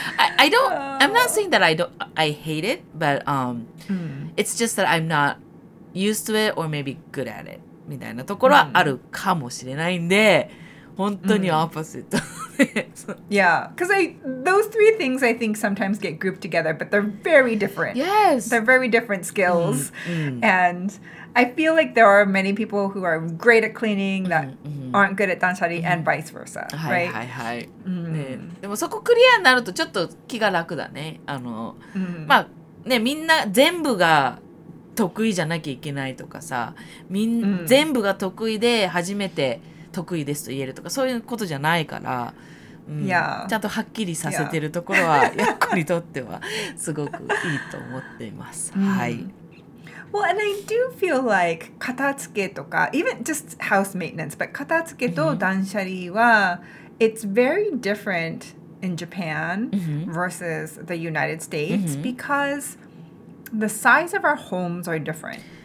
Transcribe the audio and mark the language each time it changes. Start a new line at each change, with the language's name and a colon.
English: I'm not saying that I hate it, but it's just that I'm not used to it or maybe good at it
Japanese: みたいなところはあるかもしれないんで、本当に
English: opposite。 Yeah, because those three things I think sometimes get grouped together, but they're very different. Yes. They're very different skills. Mm-hmm. And I feel like there are many people who are great at cleaning that mm-hmm. aren't good at 断捨離 mm-hmm. and vice versa, right?
Japanese: はいはいはい。でもそこクリアになるとちょっと気が楽だね。まあね、みんな全部が得意じゃなきゃいけないとかさ、全部が得意で初めて得意ですと言えるとかそういうことじゃないから、
English: yeah.
Japanese: ちゃんとはっきりさせてるところは、
English: yeah.
Japanese: やっこにとってはすごくいいと思っています。はい。
English: Well, and I do feel like katatsuke とか even just house maintenance, but katatsuke と断捨離は it's very different in Japan versus the United States because the size of our homes are different.